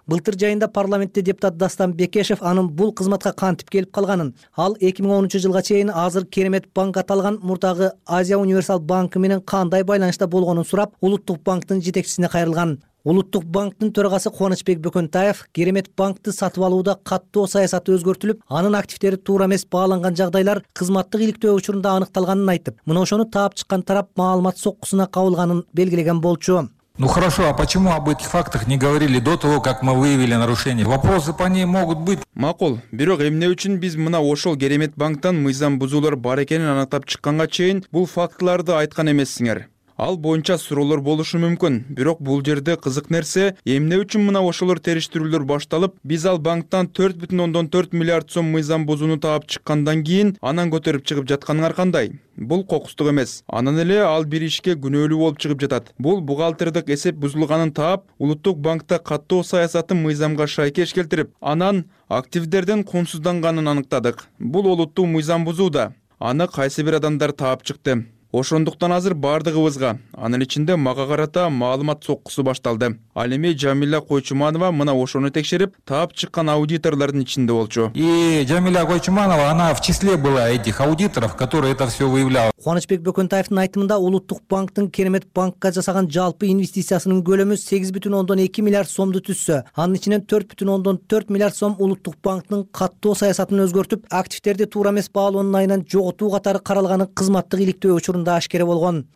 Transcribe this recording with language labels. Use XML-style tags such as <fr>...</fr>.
<ky>Былтыр жайында парламентте депутат Дастан Бекешев анын бул кызматка кантип келип калганын, ал 2013-жылга чейин азыр Керемет банк аталган мурдагы Азия Универсал банкы менен кандай байланышта болгонун сурап, Улуттук банктын жетекчисине кайрылган. Улуттук банктын төрагасы Кубанычбек Бөкөнтаев Керемет банкты сатып алууда каттоо саясаты өзгөртүлүп, анын активтери туура эмес бааланган жагдайлар кызматтык иликтөө учурунда аныкталганын айтып, мына ошону таап чыккан тарап маалымат соккусуна кабылганын белгилеген болчу.</ky> <ru>Ну хорошо, а почему об этих фактах не говорили до того, как мы выявили нарушение? Вопросы по ней могут быть.</ru> <ky>Макул, бирок эмне үчүн биз мына ошол Керемет банктан мыйзам бузуулар бар экенин аныктап чыкканга чейин бул фактыларды айткан эмессиңер? Ал боюнча суроолор болушу мүмкүн, бирок бул жерде кызык нерсе, эмне үчүн мына ошолор териштирүүлөр башталып, биз ал банктан 4,4 миллиард сом мыйзам бузууну таап чыккандан кийин анан көтөрүп чыгып жаткан ар кандай. Бул кокустук эмес. Анан эле ал бир ишке күнөөлүү болуп чыгып жатат. Бул бухгалтердик эсеп бузулганын таап, Улуттук банкта каттоо саясатын мыйзамга шайкеш келтирип, анан активдердин кунсузданганын аныктадык. Бул олуттуу мыйзам бузууда. Аны кайсы бир адамдар таап чыкты. Ошондуктан азыр баардыгыбызга, анын ичинде мага карата маалымат соккусу башталды. Ал эми Жамила Койчуманова мына ошону текшерип, таап чыккан аудиторлордун ичинде болчу.</ky> <ru>И Жамила Койчуманова, она в числе была этих аудиторов, которые это все выявляли.</ru> <ky>Кубанычбек Бөкөнтаевдин айтымында Улуттук банктын Керемет банкка жасаган жалпы инвестициясынын көлөмү 8,2 миллиард сомду түзсө, анын ичинен 4,4 миллиард сом Улуттук банктын каттоо саясатын өзгөртүп, активдерди туура эмес баалоонун айынан жоготуу катары каралганы кызматтык иликтөө учурунда ашкере болгон.</ky>